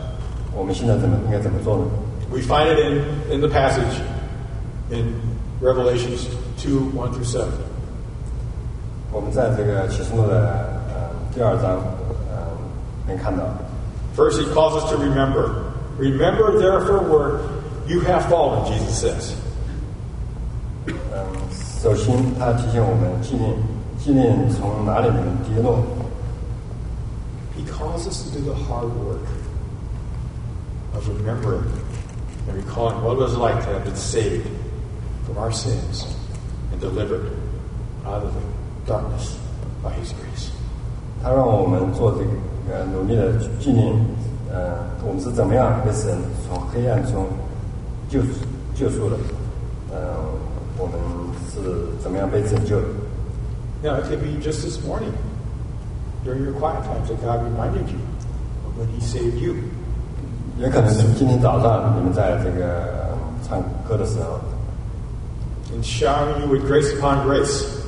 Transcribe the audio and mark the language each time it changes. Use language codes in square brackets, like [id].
[zh] 所以我们这一点上我们要想，如果我们失去了我们起初的爱，我们现在怎么应该怎么做呢？ [en] We find it in the passage in Revelations 2:1-7. [zh] 我们在这个启示录的第二章能看到。 [en] First, he calls us to remember. Remember, therefore, where you have fallen, Jesus says. [zh] 首先，他提醒我们纪念纪念从哪里面跌落。 [en] He calls us to do the hard work of remembering and recalling what it was like to have been saved from our sins and delivered out of the darkness by His grace. [zh] 他让我们做这个努力的纪念，我们是怎么样被神从黑暗中救出了，我们是怎么样被拯救的。 [en] Now it could be just this morning during your quiet time that God reminded you of when He saved you. [zh] 也可能是今天早上你们在这个唱歌的时候， [en] and showering you with grace upon grace.